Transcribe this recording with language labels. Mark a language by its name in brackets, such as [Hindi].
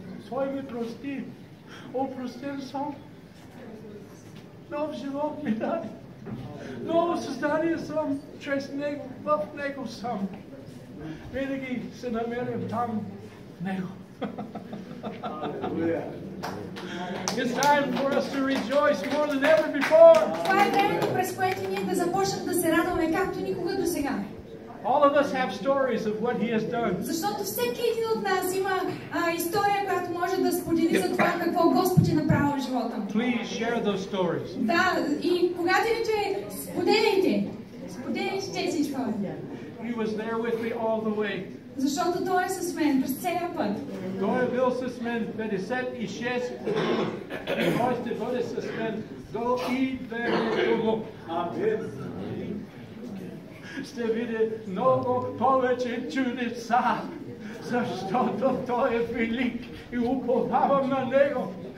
[Bulgarian] Той ми прости, опростен съм. Нов живот ми даде. Ново създание съм, чрез Него, в Него съм. Винаги се намерям там, в Него. [English] It's time for us to rejoice more than ever before. [Bulgarian] Това е времето, през което ние да започнем да се радваме както никога до сега. [English] All of us have stories of what he has done. [Bulgarian] Защото всеки един от нас има история, която може да сподели за това какво Господ е направил в живота. [English] Please share those stories. [Bulgarian] Да, и когато вече споделяйте тези истории. [English] He was there with me all the way. [Bulgarian] Защото той е с мен през целия път. Той е бил с мен 56 години. И може да бъде с мен до и верното. Амин. Ще види много повече чудеца. Защото той е велик и уповавам на него.